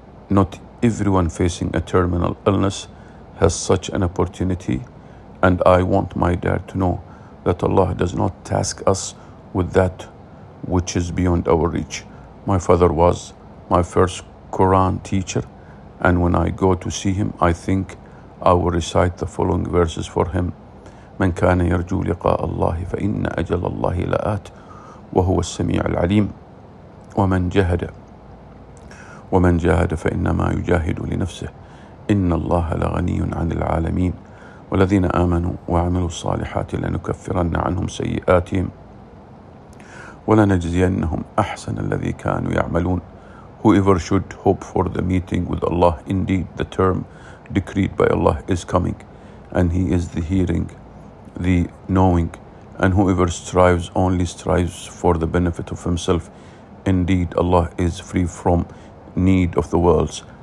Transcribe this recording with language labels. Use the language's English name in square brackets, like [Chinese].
[English] Not everyone facing a terminal illness has such an opportunity, and I want my dad to know that Allah does not task us with that which is beyond our reach. My father was my first Quran teacher, and when I go to see him, I think I will recite the following verses for him. [Arabic] من كان يرجو لقاء الله فإن أجل الله لآت وهو السميع العليم ومن جاهد فإنما يجاهد لنفسه إن الله لغني عن العالمين والذين آمنوا وعملوا الصالحات لنكفرن عنهم سيئاتهم ولنجزينهم أحسن الذي كانوا يعملون. [English] Whoever should hope for the meeting with Allah, indeed the term decreed by Allah is coming, and He is the hearing, the knowing. And whoever strives only strives for the benefit of himself, indeed Allah is free from need of the worlds.